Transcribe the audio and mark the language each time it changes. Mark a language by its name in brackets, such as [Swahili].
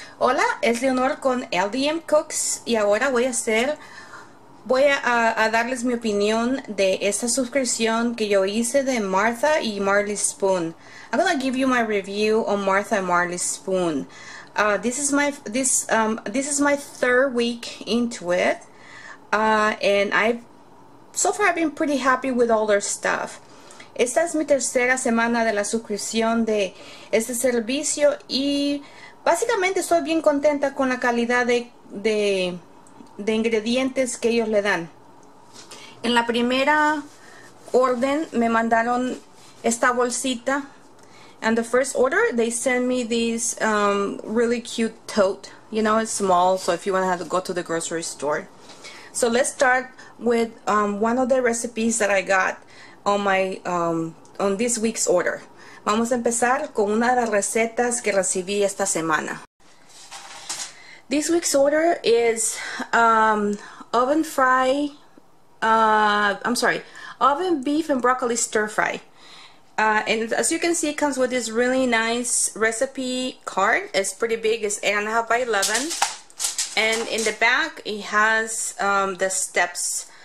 [Spanish] Hola, es Leonor con LDM Cooks y ahora voy a darles mi opinión de esta suscripción que yo hice de Martha y Marley Spoon. [English] I'm gonna give you my review on Martha and Marley Spoon. This is my third week into it, and so far I've been pretty happy with all their stuff. [Spanish] Esta es mi tercera semana de la suscripción de este servicio y básicamente estoy bien contenta con la calidad de ingredientes que ellos le dan. En la primera orden me mandaron esta bolsita. [English] And the first order, they sent me this really cute tote. You know, it's small, so if you want to have to go to the grocery store. So let's start with one of the recipes that I got on this week's order. [Spanish] Vamos a empezar con una de las recetas que recibí esta semana. [English] This week's order is oven beef and broccoli stir fry. And as you can see, it comes with this really nice recipe card. It's pretty big, it's 8.5 by 11. And in the back, it has the steps.